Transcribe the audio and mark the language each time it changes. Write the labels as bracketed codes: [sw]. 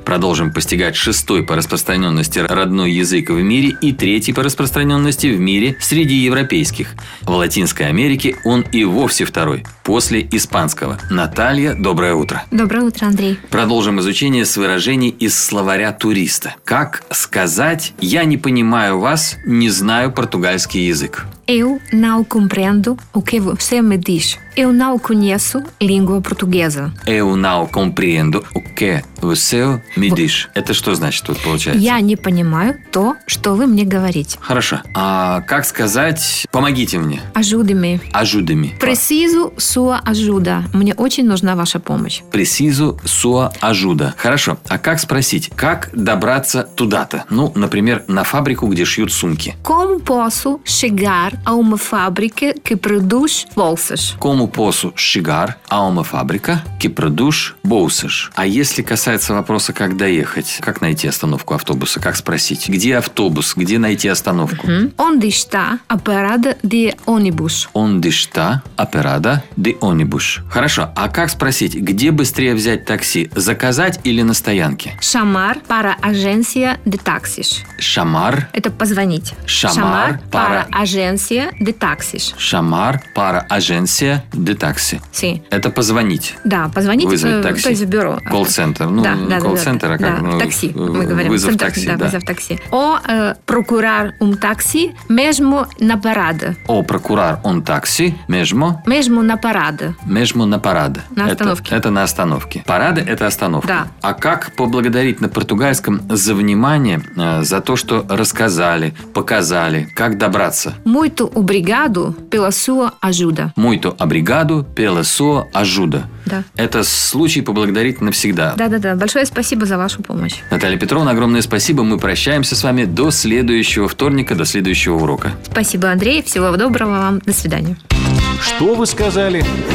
[ru] Продолжим постигать 6-й по распространенности родной язык в мире и 3-й по распространенности в мире среди европейских. В Латинской Америке он и вовсе 2-й, после испанского. Наталья, доброе утро. Доброе утро. Андрей. Продолжим изучение с выражений из словаря туриста. Как сказать «я не понимаю вас, не знаю португальский язык»? [pt] Eu não compreendo o que você me diz. Eu não conheço língua portuguesa. Eu não compreendo o que você me diz. [ru] Это что значит тут получается? Я не понимаю то, что вы мне говорите. Хорошо. А как сказать «помогите мне»? [pt] Ajude-me. Ajude-me. Preciso sua ajuda. [ru] Мне очень нужна ваша помощь. [pt] Preciso sua ajuda. [ru] Хорошо. А как спросить, как добраться туда-то? Ну, например, на фабрику, где шьют сумки. [pt] Como posso chegar a uma fábrica que produz bolsas. Como posso chegar a uma fábrica que produz bolsas? [ru] А если касается вопроса, как доехать, как найти остановку автобуса, как спросить, где автобус, где найти остановку? [pt] Onde está a parada de ônibus? Onde está a parada de ônibus? [ru] Хорошо, а как спросить, где быстрее взять такси, заказать или на стоянке? [pt] Chamar para a agência de táxis. Chamar? [ru] Это позвонить. [pt] Chamar para a agência Agência de táxis. Chamar para agência de táxi. Sim. [ru] Это позвонить. Да, позвонить. Вызвать такси. То есть в бюро. [en] Call center. Ну, [ru] да, [en] call [ru] да, [en] center, [ru] да, а как? Да, ну, такси, мы говорим. Вызов [en] center, [ru] такси, да. Да, вызов такси. [pt] Ou procurar такси, mesmo na parada. Ou procurar такси, mesmo? Mesmo na parada. Mesmo na parada. [ru] На остановке. Это на остановке. Парада – это остановка. Да. А как поблагодарить на португальском за внимание, за то, что рассказали, показали, как добраться? [pt] Muito obrigado pela sua ajuda. Muito obrigado pela sua ajuda. [ru] Да. Это случай поблагодарить навсегда. Да-да-да. Большое спасибо за вашу помощь. Наталья Петровна, огромное спасибо. Мы прощаемся с вами до следующего вторника, до следующего урока. Спасибо, Андрей. Всего доброго вам. До свидания. Что вы сказали?